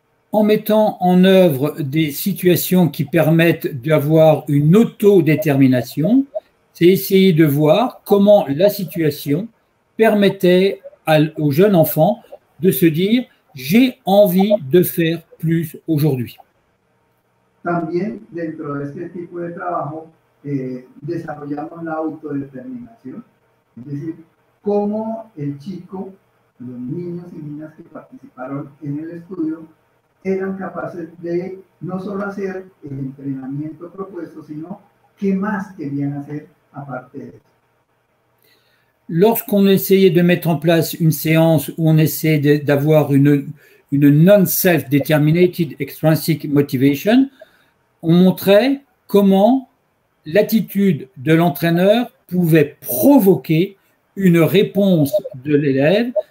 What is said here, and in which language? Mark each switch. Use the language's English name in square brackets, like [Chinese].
[French] En mettant en œuvre des situations qui permettent d'avoir une autodétermination, c'est essayer de voir comment la situation permettait au jeune enfant de se dire « j'ai envie de faire plus aujourd'hui ». [Spanish] También dentro de este tipo de trabajo desarrollamos la autodeterminación, es decir, cómo el chico, los niños y niñas que participaron en el estudio eran capaces de no solo hacer el entrenamiento propuesto, sino qué más querían hacer aparte de eso. [French] Lorsqu'on essayait de mettre en place une séance où on essayait d'avoir une [English] non-self-determinated extrinsic motivation, [French] on montrait comment l'attitude de l'entraîneur pouvait provoquer une réponse de l'élève.